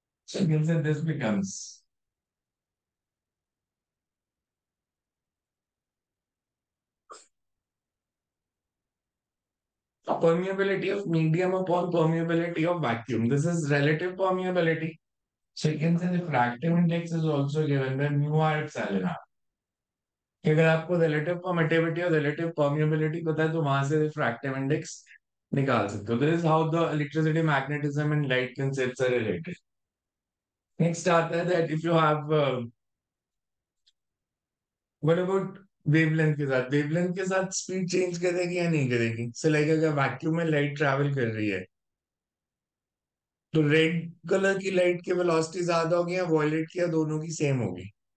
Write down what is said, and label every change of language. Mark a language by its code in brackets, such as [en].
[en] Can say this becomes permeability of medium upon permeability of vacuum. This is relative permeability. So you can say refractive index is also given by mu r epsilon r. [hi] कि अगर आपको relative permittivity और relative permeability पता है तो वहां से refractive index निकाल सकते हो. [en] This is how the electricity, magnetism and light concepts are related. Next [hi] आता है [en] that if you have what about [hi] wavelength के साथ? वेवलेंथ के साथ स्पीड चेंज करेगी या नहीं करेगी? सो लाइक अगर वैक्यूम में लाइट ट्रैवल कर रही है तो रेड कलर की लाइट की वेलोसिटी ज्यादा होगी या वॉयलेट की, या दोनों की सेम होगी?